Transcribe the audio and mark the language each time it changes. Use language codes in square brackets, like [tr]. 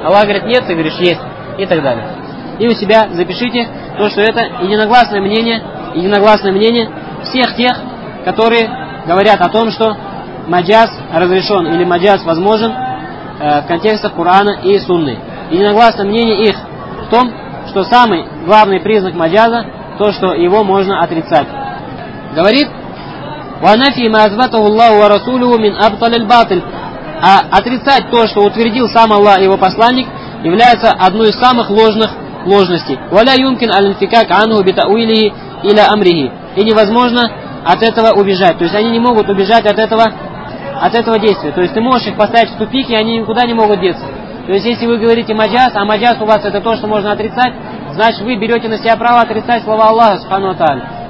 [ru] Аллах говорит нет, ты говоришь есть. И так далее. И у себя запишите то, что это единогласное мнение всех тех, которые говорят о том, что маджаз разрешен или маджаз возможен в контекстах Корана и Сунны. Единогласное мнение их в том, что самый главный признак маджаза – то, что его можно отрицать. [ar] Говорит, وَنَفِي مَا أَثْبَتَهُ اللَّهُ وَرَسُولُهُ مِنْ أَبْطَلِ الْبَاطِلِ. [ru] А отрицать то, что утвердил сам Аллах и его посланник, является одной из самых ложных ложностей. [ar] وَلَا يُمْكِنْ أَلْنْفِكَكْ عَنْهُ بِتَأْوِلِهِ إِلَى أَمْرِهِ. [ru] И невозможно от этого убежать. То есть они не могут убежать от этого действия. То есть ты можешь их поставить в тупик, и они никуда не могут деться. То есть если вы говорите маджаз, а маджаз у вас это то, что можно отрицать, значит вы берете на себя право отрицать слова Аллаха, [ar] субхану ва тааля.